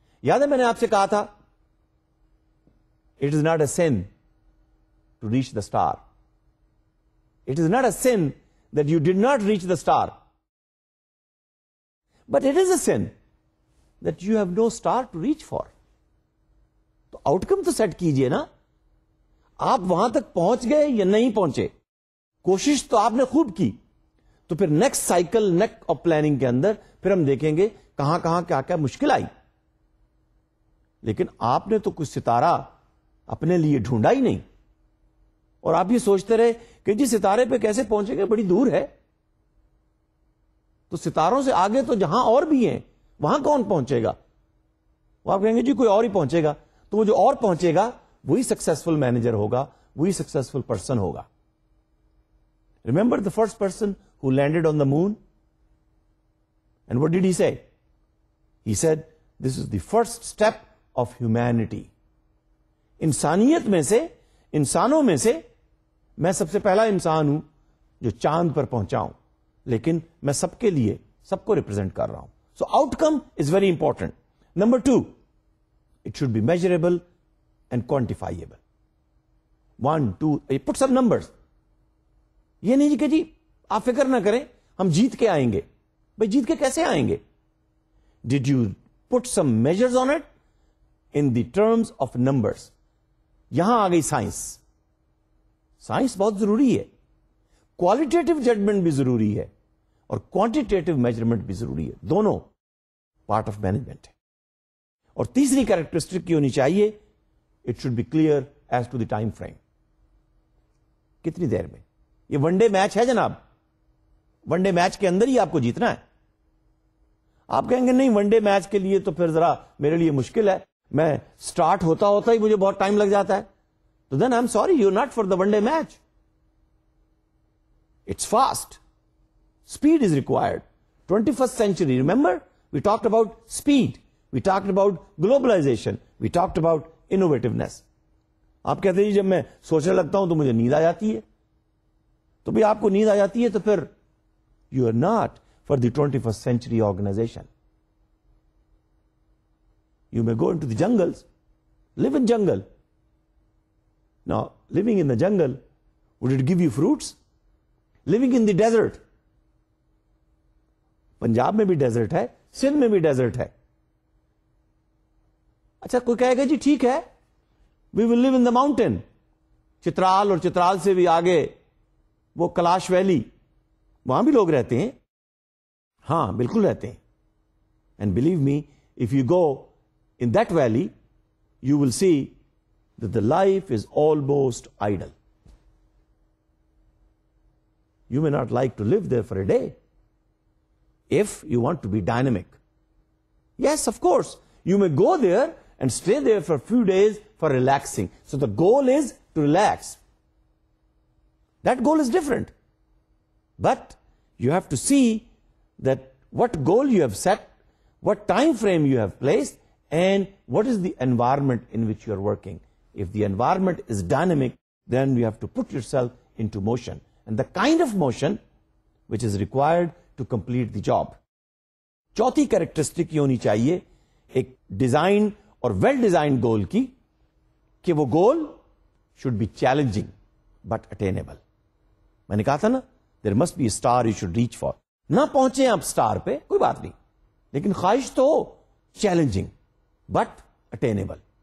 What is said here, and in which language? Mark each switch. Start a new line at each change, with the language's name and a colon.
Urdu: Yaad hai maine aapse kaha tha,
English: it is not a sin to reach the star. It is not a sin that you did not reach the star. But it is a sin that you have no star to reach for.
Urdu: تو out کم تو set کیجیے نا, آپ وہاں تک پہنچ گئے یا نہیں پہنچے, کوشش تو آپ نے خوب کی, تو پھر next cycle next of planning کے اندر پھر ہم دیکھیں گے کہاں کہاں کیا کیا مشکل آئی, لیکن آپ نے تو کچھ ستارہ اپنے لیے ڈھونڈا ہی نہیں, اور آپ یہ سوچتے رہے کہ جی ستارے پہ کیسے پہنچیں گے, بڑی دور ہے, تو ستاروں سے آگے تو جہاں اور بھی ہیں, وہاں کون پہنچے گا؟ وہ آپ کہیں گے جی کوئی اور ہی پہنچے گا, تو وہ جو اور پہنچے گا وہی سکسیسفل مینیجر ہوگا, وہی سکسیسفل پرسن ہوگا.
English: Remember the first person who landed on the moon, and what did he say? He said this is the first step of humanity,
Urdu: انسانیت میں سے, انسانوں میں سے میں سب سے پہلا انسان ہوں جو چاند پر پہنچا ہوں, لیکن میں سب کے لیے, سب کو ریپرزینٹ کر رہا ہوں.
English: So outcome is very important. Number two, it should be measurable and quantifiable. Want to put some numbers.
Urdu: یہ نہیں جی کہ جی آپ فکر نہ کریں ہم جیت کے آئیں گے. بھائی جیت کے کیسے آئیں گے؟
English: Did you put some measures on it in the terms of numbers?
Urdu: یہاں آ گئی سائنس. سائنس بہت ضروری ہے, کوالٹیٹو ججمنٹ بھی ضروری ہے اور کوانٹیٹیو میجرمنٹ بھی ضروری ہے, دونوں پارٹ آف مینجمنٹ ہے. اور تیسری کیریکٹرسٹک کی ہونی چاہیے,
English: It should be clear as to the time frame.
Urdu: کتنی دیر میں؟ یہ ون ڈے میچ ہے جناب, ون ڈے میچ کے اندر ہی آپ کو جیتنا ہے. آپ کہیں گے نہیں ون ڈے میچ کے لیے تو پھر ذرا میرے لیے مشکل ہے, میں اسٹارٹ ہوتا ہوتا ہی مجھے بہت ٹائم لگ جاتا ہے.
English: تو then I am sorry, you not for the one day match. It's fast, speed is required. 21st century, remember we talked about speed, we talked about globalization, we talked about innovativeness.
Urdu: آپ کہتے ہیں جب میں سوچنے لگتا ہوں تو مجھے نیند آ جاتی ہے. تو بھی آپ کو نیند آ جاتی ہے تو پھر
English: You are not for the 21st century organization. You may go into the jungle, live in jungle. Now living in the jungle would it give you fruits? Living in the desert,
Urdu: Punjab میں بھی ڈیزرٹ ہے,
English: سندھ میں بھی ڈیزرٹ ہے.
Urdu: اچھا کوئی کہے گا جی ٹھیک ہے,
English: we will live in the mountain,
Urdu: چترال اور چترال سے بھی آگے وہ کلاش ویلی, وہاں بھی لوگ رہتے ہیں. ہاں بالکل رہتے ہیں.
English: And believe me if you go in that valley you will see that the life is almost ideal. You may not like to live there for a day if you want to be dynamic. Yes of course you may go there and stay there for few days for relaxing. So the goal is to relax, that goal is different. But you have to see that what goal you have set, what time frame you have placed, and what is the environment in which you are working. If the environment is dynamic then you have to put yourself into motion and the kind of motion which is required to complete the job.
Urdu: چوتھی characteristic یہ ہونی چاہیے ایک design اور well design گول کی, کہ وہ goal
English: Should be challenging but attainable.
Urdu: میں نے کہا تھا نا
English: There must be a star you should reach for.
Urdu: نہ پہنچے آپ اسٹار پہ کوئی بات نہیں, لیکن خواہش تو
English: Challenging but attainable.